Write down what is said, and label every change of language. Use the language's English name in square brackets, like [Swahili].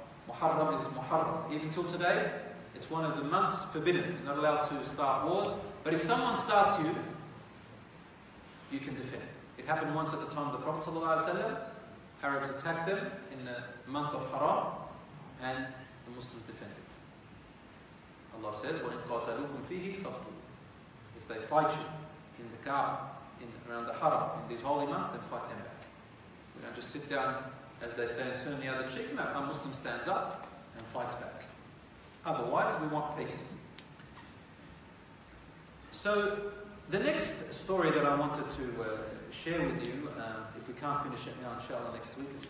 [English] Muharram is Muharram. Even till today, it's one of the months forbidden. You're not allowed to start wars. But if someone starts you, you can defend. It happened once at the time of the Prophet sallallahu alayhi wa sallam. Arabs attacked them in the month of Haram, and the Muslims defended it. Allah says, [Arabic] وَإِن قَاتَلُوكُمْ فِيهِ فَقْتُوا. [English] If they fight you in the Kaaba, in around the Haram, in these holy months, then fight them back. We don't just sit down, as they say, and turn the other cheek. No, a Muslim stands up and fights back. Otherwise, we want peace. So, the next story that I wanted to share with you, if we can't finish it now, inshallah, next week or so.